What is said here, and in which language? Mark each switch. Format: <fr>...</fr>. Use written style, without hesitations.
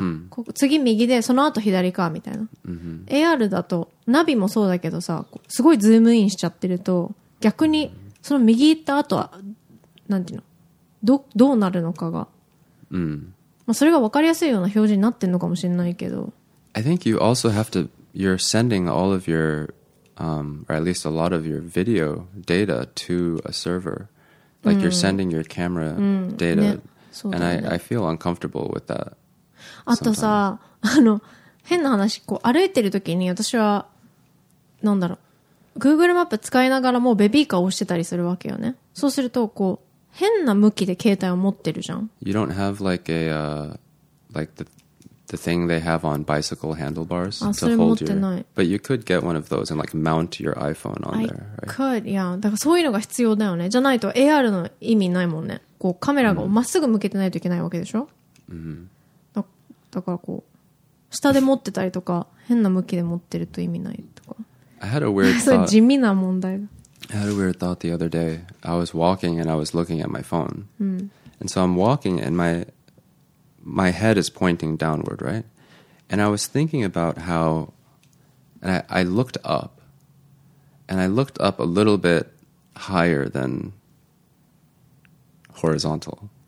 <ja>ここ次右でその後左かみたいな。AR だとナビもそうだけどさ、すごいズームインしちゃってると逆にその右行った後はなんていうの、どうなるのかが、まあ、それが分かりやすいような表示になってんのかもしれないけど。</ja> <en>I think you also have to, you're sending all of your, or at least a lot of your video data to a server. Like you're sending your camera data,、</en> <ja>ね、</ja> <en>and I feel uncomfortable with that.</en> <ja>あとさ、あの変な話、こう歩いてる時に私はなんだろう、Google マップ使いながらもうベビーカーを押してたりするわけよね。そうするとこう変な向きで携帯を持ってるじゃん。</ja> <en>You don't have like a like the thing they have on bicycle handlebars to hold your.</en> <ja>あ、それ持ってない。</ja> <en>But you could get one of those and like mount your iPhone on there. I could, yeah.</en> <ja>だからそういうのが必要だよね。じゃないと AR の意味ないもんね。こうカメラがまっすぐ向けてないといけないわけでしょ。だからこう下で持ってたりとか変な向きで持ってると意味ないとか。</ja> <en>I had a weird thought.</en> <ja>地味な問題。</ja> <en>I had a weird thought the other day. I was walking and I was looking at my phone. And so I'm walking and my head is pointing downward, right? And I was thinking about how, and I looked up, and I looked up a little bit higher than horizontal.</en>